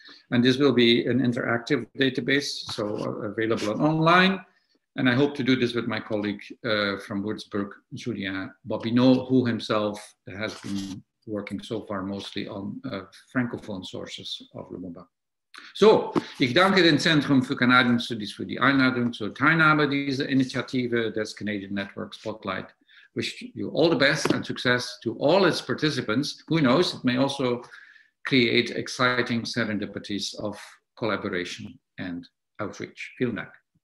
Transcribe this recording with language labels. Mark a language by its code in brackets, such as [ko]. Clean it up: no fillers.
[en] And this will be an interactive database, so available online. And I hope to do this with my colleague from Würzburg, Julien Bobineau, who himself has been working so far mostly on Francophone sources of Lumumba. [de] So, ich danke dem Zentrum für Canadian Studies für die Einladung zur Teilnahme dieser Initiative des Canadian Network Spotlight. [en] Wish you all the best and success to all its participants. Who knows, it may also create exciting serendipities of collaboration and outreach. [de] Vielen Dank.